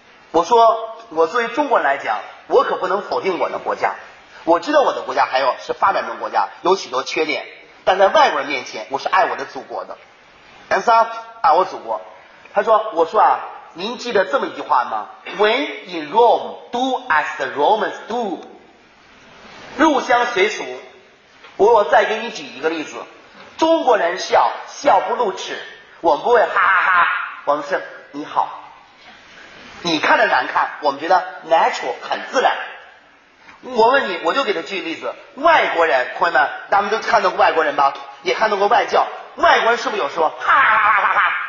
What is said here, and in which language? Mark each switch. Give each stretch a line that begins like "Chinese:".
Chinese: 我说我作为中国人来讲，我可不能否定我的国家，我知道我的国家还有是发展中国家有许多缺点，但在外国人面前我是爱我的祖国的。
English: And so,
Chinese: 爱我祖国。他说，我说啊，您记得这么一句话吗？
English: When in Rome, do as the Romans do.
Chinese: 入乡随俗。我再给你举一个例子，中国人笑笑不露齿，我们不会哈哈哈，我们是你好，你看着难看，我们觉得 natural 很自然。我问你，我就给他举例子，外国人，朋友们，咱们都看到过外国人吧，也看到过外教，外国人是不是有说哈哈哈哈哈？